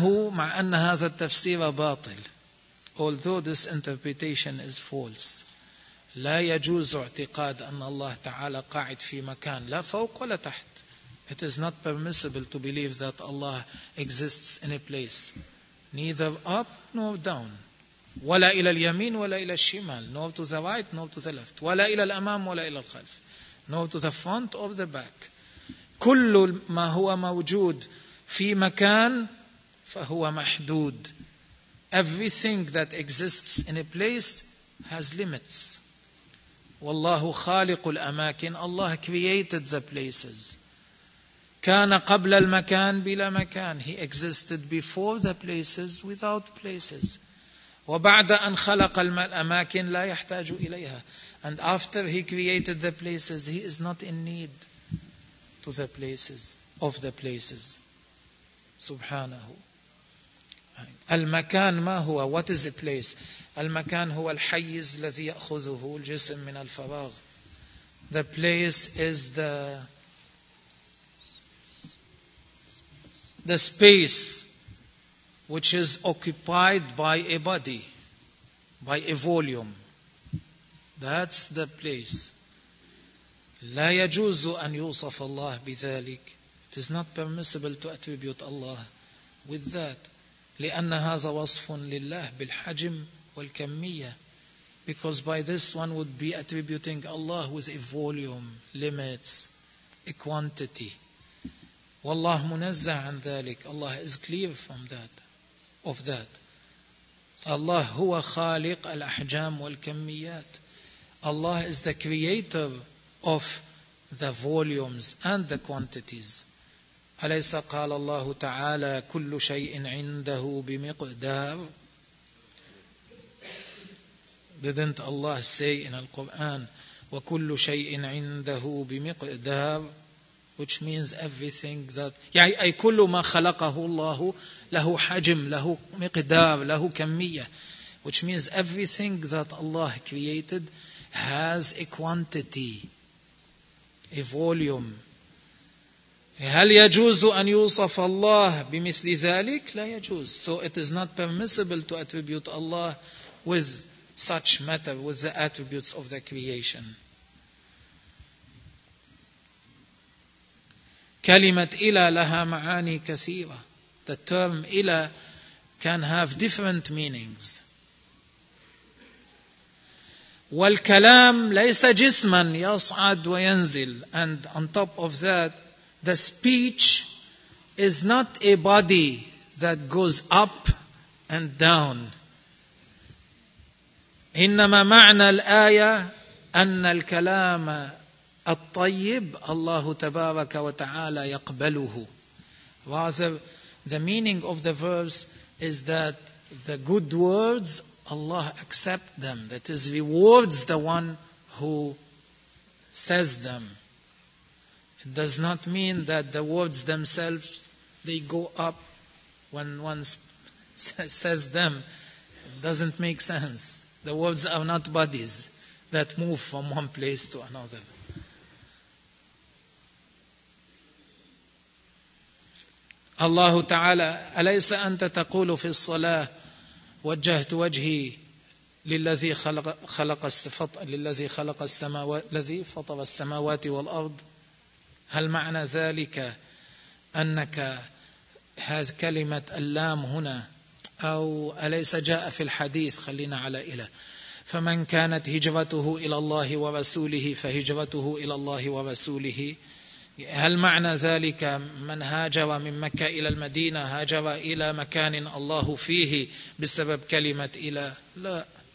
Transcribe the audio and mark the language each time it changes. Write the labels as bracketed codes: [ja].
[ar] مع أن هذا التفسير باطل, [en] although this interpretation is false. [ar] لا يجوز اعتقاد أن الله تعالى قاعد في مكان لا فوق ولا تحت. [en] It is not permissible to believe that Allah exists in a place, neither up nor down. [ar] ولا إلى اليمين ولا إلى الشمال. [en] Nor to the right nor to the left. [ar] ولا إلى الأمام ولا إلى الخلف. [en] Nor to the front or the back. [ar] كل ما هو موجود في مكان فهو محدود. [en] Everything that exists in a place has limits. [ar] والله خالق الأماكن. [en] Allah created the places. [ar] كان قبل المكان بلا مكان. [en] He existed before the places without places. [ar] وبعد أن خلق الأماكن لا يحتاج إليها. [en] And after He created the places, He is not in need to the places, of the places. [ar] سبحانه. المكان ما هو? [en] What is a place? [ar] المكان هو الحيز الذي يأخذه الجسم من الفراغ. [en] The place is the space which is occupied by a body, by a volume. That's the place. [ar] لا يجوز أن يوصف الله بذلك. [en] It is not permissible to attribute Allah with that. [ar] لأن هذا وصف لله بالحجم والكمية. [en] Because by this one would be attributing Allah with a volume, limits, a quantity. [ar] والله منزه عن ذلك. [en] Allah is clear from that, of that. [ar] Allah هو خالق الأحجام والكميات. [en] Allah is the creator of the volumes and the quantities. [ar] أليس قال الله تعالى كل شيء عنده بمقدار? [en] Didn't Allah say in the Quran [ar] وكل شيء عنده بمقدار? [en] Which means everything that, [ar] يعني أي كل ما خلقه الله له حجم, له مقدار, له كمية. [en] Which means everything that Allah created has a quantity, a volume. [ar] هل يجوز أن يوصف الله بمثل ذلك? لا يجوز. [en] So it is not permissible to attribute Allah with such matter, with the attributes of the creation. [ar] كلمة إلى لها معاني كثيرة. [en] The term إلى can have different meanings. [ar] والكلام ليس جسما يصعد وينزل. [en] And on top of that, the speech is not a body that goes up and down. [ar] إنما معنى الآية أن الكلام الطيب الله تبارك وتعالى يقبله. [en] Rather, the meaning of the verse is that the good words, Allah accepts them. That is, rewards the one who says them. It does not mean that the words themselves, they go up when one says them. It doesn't make sense. The words are not bodies that move from one place to another. [ar] الله تعالى أليس أنت تقول في الصلاة وجهت وجهي للذي خلق للذي خلق السماوات الذي فطر السماوات والأرض هل معنى ذلك أنك هذه كلمة اللام هنا أو أليس جاء في الحديث خلينا على إله فمن كانت هجرته إلى الله ورسوله فهجرته إلى الله ورسوله هل معنى ذلك من هاجر من مكة إلى المدينة هاجر إلى مكان الله فيه بسبب كلمة إله لا